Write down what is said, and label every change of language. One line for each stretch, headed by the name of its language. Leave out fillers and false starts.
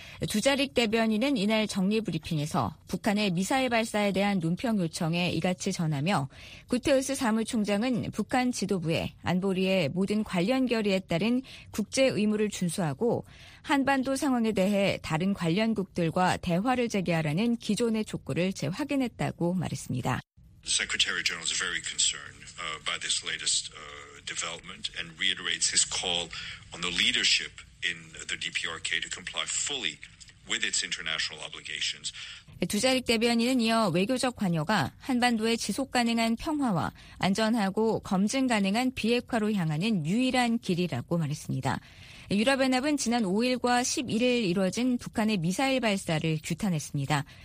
Korean: 두자릭 대변인은 이날 정례 브리핑에서 북한의 미사일 발사에 대한 논평 요청에 이같이 전하며 구테우스 사무총장은 북한 지도부에 안보리의 모든 관련 결의에 따른 국제 의무를 준수하고 한반도 상황에 대해 다른 관련국들과 대화를 재개하라는 기존의 촉구를 재확인했다고 말했습니다.
English: Secretary General is very concerned by this latest development and reiterates his call on the leadership in the DPRK to comply fully with its international obligations.
Korean: 두자릭 대변인은 이어 외교적 관여가 한반도의 지속 가능한 평화와 안전하고 검증 가능한 비핵화로 향하는 유일한 길이라고 말했습니다. 유럽연합은 지난 5일과 11일 이뤄진 북한의 미사일 발사를 규탄했습니다.